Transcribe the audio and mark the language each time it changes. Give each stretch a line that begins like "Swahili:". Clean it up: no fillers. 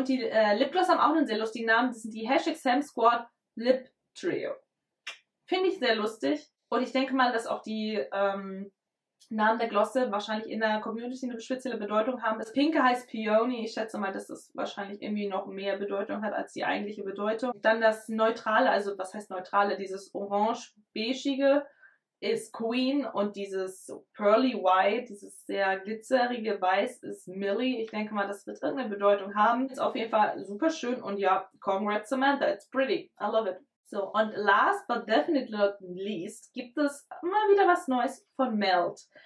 German: Und die Lipgloss haben auch einen sehr lustigen Namen. Das sind die Hashtag Sam Squad Lip Trio. Finde ich sehr lustig. Und ich denke mal, dass auch die Namen der Glosse wahrscheinlich in der Community eine spezielle Bedeutung haben. Das Pinke heißt Peony. Ich schätze mal, dass das wahrscheinlich irgendwie noch mehr Bedeutung hat als die eigentliche Bedeutung. Dann das Neutrale, also was heißt Neutrale? Dieses Orange-Beige ist Queen und dieses Pearly White, dieses sehr glitzerige Weiß ist Millie. Ich denke mal, das wird irgendeine Bedeutung haben. Ist auf jeden Fall super schön und ja,
English: congrats Samantha, it's pretty. I love it.
German: So, und
English: last but definitely not least
German: gibt es mal wieder was Neues von Melt.